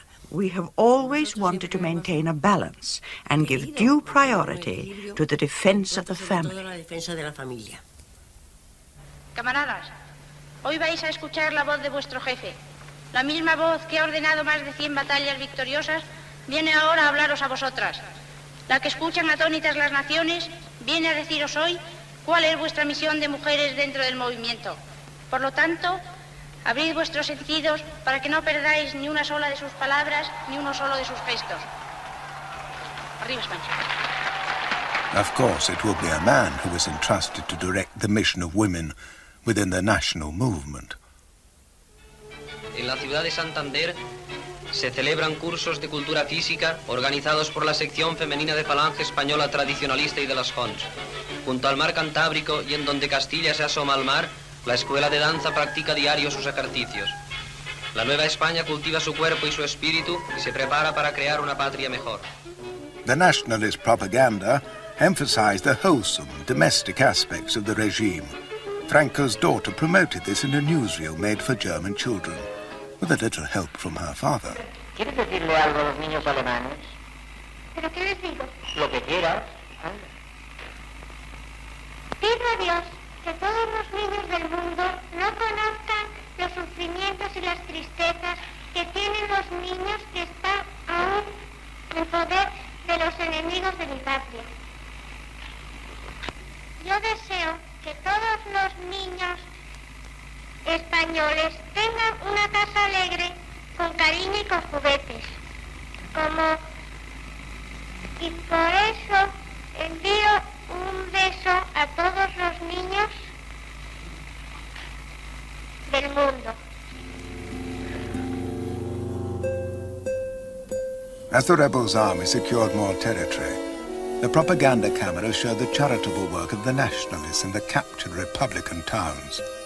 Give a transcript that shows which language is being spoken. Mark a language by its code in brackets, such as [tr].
[en] We have always wanted to maintain a balance and give due priority to the defense of the family. [es] Camaradas, hoy vais a escuchar la voz de vuestro jefe. La misma voz que ha ordenado más de 100 batallas victoriosas viene ahora a hablaros a vosotras. La que escuchan atónitas las naciones viene a deciros hoy cuál es vuestra misión de mujeres dentro del movimiento. Por lo tanto, abrid vuestros sentidos para que no perdáis ni una sola de sus palabras ni uno solo de sus gestos. Arriba España. [en] Of course, it will be a man who is entrusted to direct the mission of women within the national movement. [es] En la ciudad de Santander se celebran cursos de cultura física organizados por la sección femenina de Falange Española Tradicionalista y de las JONS. Junto al mar Cantábrico y en donde Castilla se asoma al mar, la escuela de danza practica diario sus ejercicios. La Nueva España cultiva su cuerpo y su espíritu y se prepara para crear una patria mejor. [en] The nationalist propaganda emphasized the wholesome, domestic aspects of the regime. Franco's daughter promoted this in a newsreel made for German children, with a little help from her father. [es] ¿Quieres decirle algo a los niños alemanes? ¿Pero qué les digo? Lo que quieras. Pido a Dios que todos los niños del mundo no conozcan los sufrimientos y las tristezas que tienen los niños que están aún en poder de los enemigos de mi patria. Yo deseo que todos los niños españoles tengan una casa alegre con cariño y con juguetes. Como... Y por eso envío un beso a todos los niños del mundo. [en] As the rebels' army secured more territory, the propaganda camera showed the charitable work of the nationalists in the captured Republican towns.